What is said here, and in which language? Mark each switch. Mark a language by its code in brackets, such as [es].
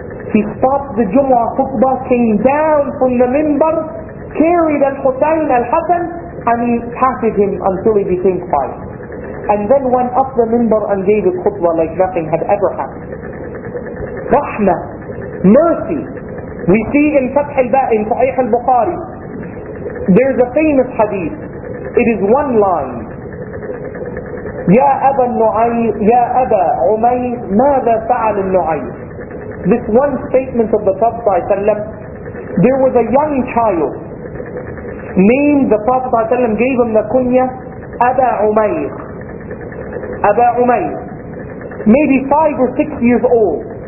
[en] He stopped the Jumu'ah khutbah, came down from the minbar, carried al-Husayn al-Hasan, and he patted him until he became quiet. And then went up the minbar and gave a khutbah like nothing had ever happened. Rahmah, mercy. We see in Fath al-Ba'i, in Sahih al-Bukhari, there's a famous hadith. It is one line. [ar] يَا أَبَا النُّعَيْرِ يَا أَبَا عُمَيْرِ مَاذَا فَعَلِ النُّعَيْرِ. [en] This one statement of the Prophet ﷺ, there was a young child named, the Prophet ﷺ gave him the kunya, أَبَا عُمَيْرِ. أَبَا عُمَيْرِ. Maybe 5 or 6 years old.